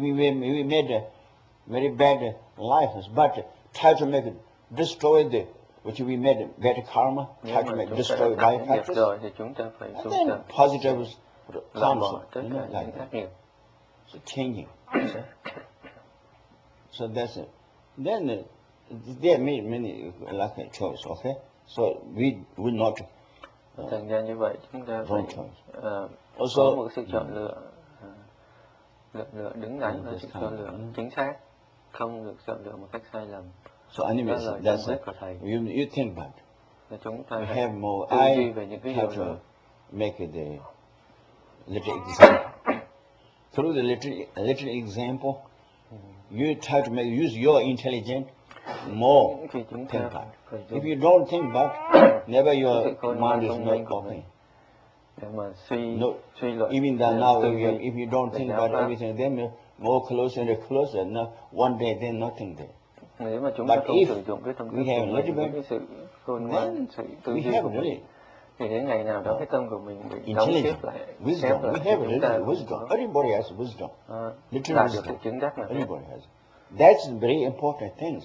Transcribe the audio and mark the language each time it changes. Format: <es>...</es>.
<en>We made a very bad life, but try to make it destroy the, which we made bad karma, try to make destroy by factors, and then positive karma, you know, like that. So changing. So that's it. Then there are many like a choice, okay? So we will not</en> <vi>Thành ra như vậy chúng ta phải</vi> <en>also,</en> <vi>có một sự chọn lựa, lựa đứng đắn và sự chọn lựa chính xác, không được chọn lựa một cách sai lầm.</vi> <en>So anyways, that's it. You think about it. We have more. I have to make the little example. Through the little example, you try to make use your intelligence more. Think about it. If you don't think about it, never your mind is not open. No, even that now, if you don't think about everything, then more closer and closer. Now, one day, then nothing there.</en> <vi>Nếu mà chúng ta không sử dụng cái tâm thức của mình, cái sự khôn ngoan, sự tư duy của mình, thì đến ngày nào đó cái tâm của mình bị đóng khép lại,</vi> <en>Everybody has wisdom. Literally wisdom.</en> <vi>Được chứng đắc là</vi> <en>everybody has. That's very important things.</en>